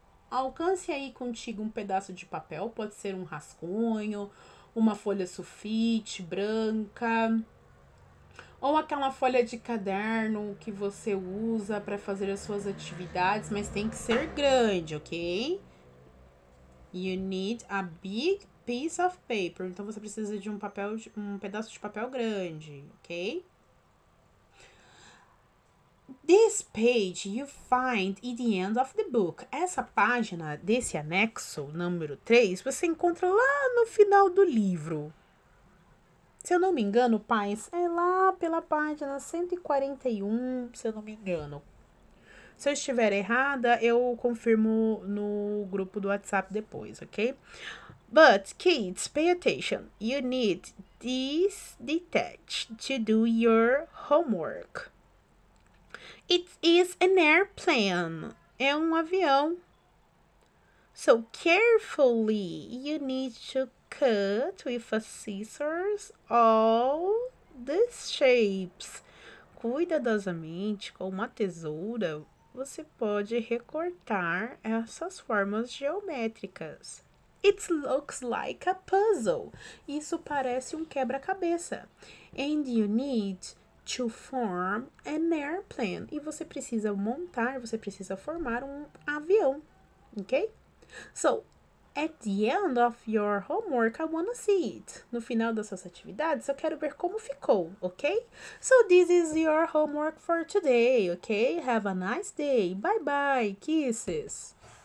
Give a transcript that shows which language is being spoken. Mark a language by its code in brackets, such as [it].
[pt] Alcance aí contigo um pedaço de papel, pode ser um rascunho, uma folha sulfite branca, ou aquela folha de caderno que você usa para fazer as suas atividades, mas tem que ser grande, ok? [en] You need a big piece of paper. [pt] Então você precisa de um pedaço de papel grande, ok? [en] This page you find at the end of the book. [pt] Essa página desse anexo, número 3, você encontra lá no final do livro. Se eu não me engano, pais, é lá pela página 141, se eu não me engano. Se eu estiver errada, eu confirmo no grupo do WhatsApp depois, ok? [en] But, kids, pay attention. You need this detached to do your homework. It is an airplane. [pt] É um avião. [en] So, carefully, you need to cut with a scissors all these shapes. [pt] Cuidadosamente, com uma tesoura, você pode recortar essas formas geométricas. [en] It looks like a puzzle. [pt] Isso parece um quebra-cabeça. [en] And you need to form an airplane. [pt] E você precisa montar, você precisa formar um avião. Ok? [en] So, at the end of your homework, I wanna see it. [pt] No final das suas atividades, eu quero ver como ficou, ok? [en] So, this is your homework for today, ok? Have a nice day. Bye-bye. Kisses.